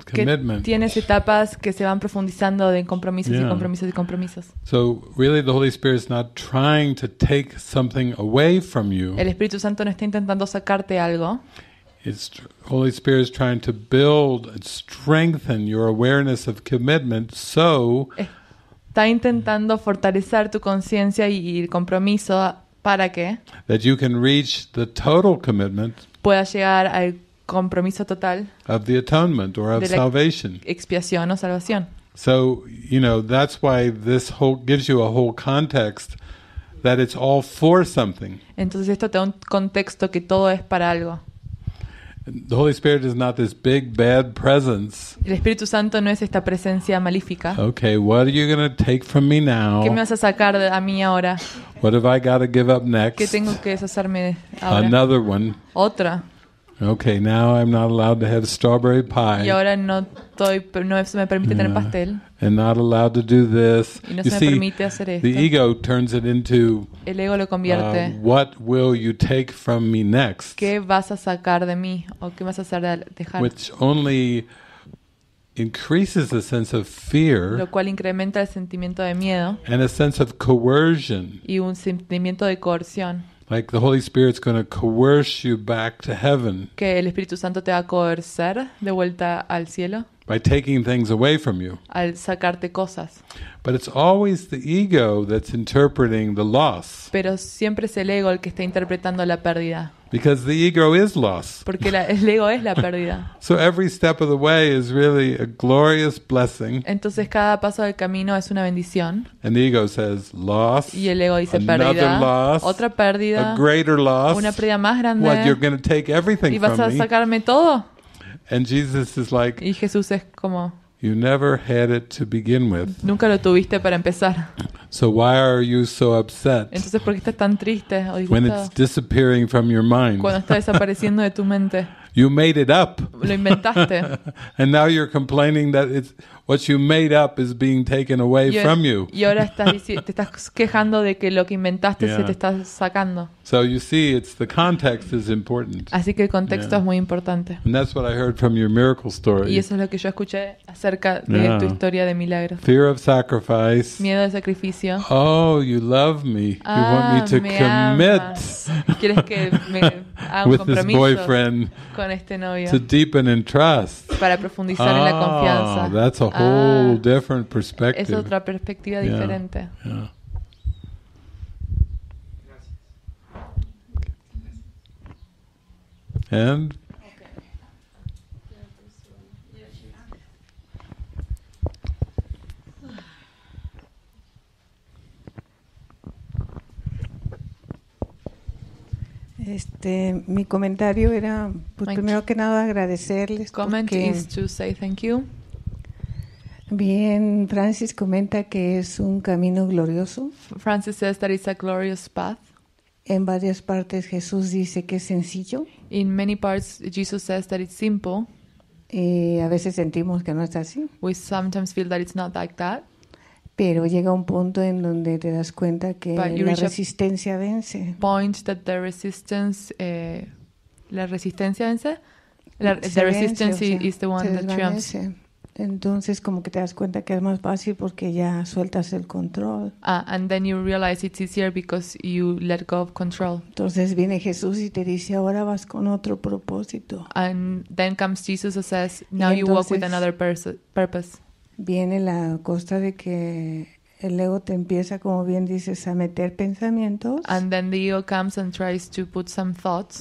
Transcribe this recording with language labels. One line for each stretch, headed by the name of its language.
Spanish: Que tienes etapas que se van profundizando de compromisos y compromisos y compromisos.
English: So really the Holy Spirit is not trying to take something away from you.
Spanish: El Espíritu Santo no está intentando sacarte algo.
English: It's Holy Spirit is trying to build and strengthen your awareness of commitment so
Spanish: está intentando fortalecer tu conciencia y el compromiso para que
English: that you can reach the total commitment
Spanish: puedas llegar al compromiso total
English: of the atonement or of
Spanish: de la
English: salvation.
Spanish: Expiación o salvación.
English: So, you know, that's why this whole gives you a whole context that it's all for something.
Spanish: Entonces esto te da un contexto que todo es para algo.
English: The Holy Spirit is not this big bad presence.
Spanish: El Espíritu Santo no es esta presencia malífica.
English: Okay, what are you going to take from me now?
Spanish: ¿Qué me vas a sacar a mí ahora?
English: What have I got to give up next?
Spanish: ¿Qué tengo que deshacerme ahora?
English: Another one.
Spanish: Otra.
English: Okay, now I'm not allowed to have strawberry pie.
Spanish: Y ahora no se me permite tener pastel.
English: And not allowed to do this.
Spanish: Y no
English: you
Spanish: se
English: see,
Spanish: me permite hacer esto.
English: The ego turns it into
Spanish: el ego lo convierte.
English: What will you take from me next?
Spanish: ¿Qué vas a sacar de mí o qué vas a hacer dejar?
English: Which only increases the sense of fear.
Spanish: Lo cual incrementa el sentimiento de miedo.
English: And a sense of coercion.
Spanish: Y un sentimiento de coerción.
English: Like the Holy Spirit's going to coerce you back to heaven.
Spanish: Que el Espíritu Santo te va a coercer de vuelta al cielo.
English: By taking things away from you.
Spanish: Al sacarte cosas.
English: But it's always the ego that's interpreting the loss.
Spanish: Pero siempre es el ego el que está interpretando la pérdida.
English: Because the ego is loss.
Spanish: Porque el ego es la pérdida.
English: So every step of the way is really a glorious blessing.
Spanish: Entonces cada paso del camino es una bendición.
English: And the ego says loss.
Spanish: Y el ego dice
English: another
Spanish: pérdida.
English: Another loss.
Spanish: Otra pérdida.
English: A greater loss.
Spanish: Una pérdida más grande.
English: What, you're going to take everything from me?
Spanish: ¿Y vas a sacarme todo?
English: And Jesus is like,
Spanish: y Jesús es como,
English: you never had it to begin with.
Spanish: Nunca lo tuviste para empezar.
English: So why are you so upset?
Spanish: Entonces, ¿por qué estás tan triste o disgustado?
English: When it's disappearing from your mind.
Spanish: Cuando está desapareciendo de tu mente.
English: You made it up.
Spanish: Lo inventaste.
English: And now you're complaining that it's what you made up is being taken away from you.
Spanish: Y ahora te estás quejando de que lo que inventaste se te está sacando.
English: So you see, it's the context is important.
Spanish: Así que el contexto es muy importante.
English: And that's what I heard from your miracle story.
Spanish: Y eso es lo que yo escuché acerca de tu historia de milagros.
English: Fear of sacrifice.
Spanish: Miedo de sacrificio.
English: Oh, you love me. You want me to
Spanish: me
English: commit.
Spanish: ¿Quieres que me haga un compromiso?
English: With this boyfriend.
Spanish: Con este novio.
English: To deepen in trust.
Spanish: Para profundizar en la confianza.
English: That's a whole different perspective.
Spanish: Es otra perspectiva diferente.
English: Yeah. And
Spanish: mi comentario era pues, primero que nada agradecerles.
English: Comment is to say thank you.
Spanish: Bien, Francis comenta que es un camino glorioso.
English: Francis says that it's a glorious path.
Spanish: En varias partes Jesús dice que es sencillo.
English: In many parts Jesus says that it's simple.
Spanish: Y a veces sentimos que no es así.
English: We sometimes feel that it's not like that.
Spanish: Pero llega un punto en donde te das cuenta que la resistencia vence.
English: Point that the resistance,
Spanish: la resistencia vence.
English: The resistance is the one that triumphs.
Spanish: Entonces como que te das cuenta que es más fácil porque ya sueltas el control.
English: And then you realize it's easier because you let go of control.
Spanish: Entonces viene Jesús y te dice ahora vas con otro propósito.
English: And then comes Jesus and says now you walk with another purpose.
Spanish: Viene la costa de que el ego te empieza, como bien dices, a meter pensamientos.
English: And then the ego comes and tries to put some thoughts.